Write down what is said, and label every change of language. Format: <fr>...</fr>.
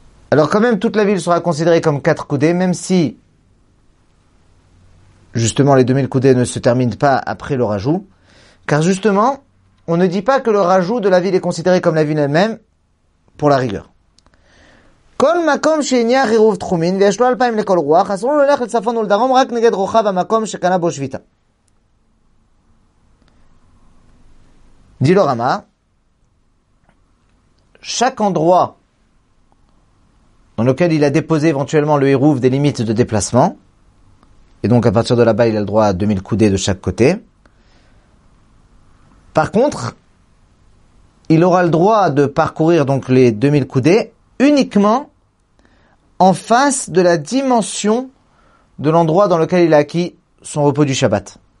<fr>Alors quand même, toute la ville sera considérée comme 4 coudées, même si justement les 2000 coudées ne se terminent pas après le rajout. Car justement, on ne dit pas que le rajout de la ville est considéré comme la ville elle-même, pour la rigueur.</fr> <he>כל מקום שנייה חירוב תחומין ויש לו אלפיים לכל רוח, אסור לו ללך לצפון ולדרום רק נגד רוחב המקום שקנה בו שביטה.</he> <fr>Dit le Rama, chaque endroit dans lequel il a déposé éventuellement le hérouf des limites de déplacement, et donc à partir de là-bas il a le droit à 2000 coudées de chaque côté, par contre, il aura le droit de parcourir donc les 2000 coudées uniquement en face de la dimension de l'endroit dans lequel il a acquis son repos du Shabbat.</fr>